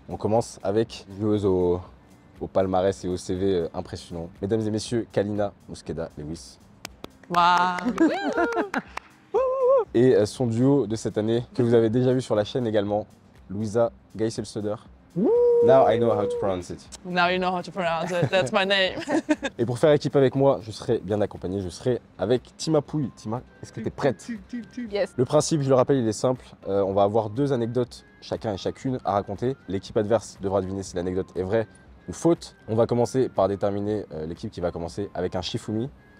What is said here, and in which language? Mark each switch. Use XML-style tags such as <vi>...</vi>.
<fr>On commence avec une joueuse au palmarès et au CV impressionnant. Mesdames et messieurs, Kaleena Mosqueda-Lewis. Et son duo de cette année, que vous avez déjà vu sur la chaîne également, Luisa Geiselsöder.</fr> <en>Now I know how to pronounce it. Now you know how to pronounce it, that's my name.</en> <fr>Et pour faire équipe avec moi, je serai bien accompagné, je serai avec Tima Pouye. Tima, est-ce que t'es prête?</fr> <en>Yes.</en> <fr>Le principe, je le rappelle, il est simple. On va avoir deux anecdotes, chacun et chacune, à raconter. L'équipe adverse devra deviner si l'anecdote est vraie ou faute. On va commencer par déterminer l'équipe qui va commencer avec un Shifumi.</fr>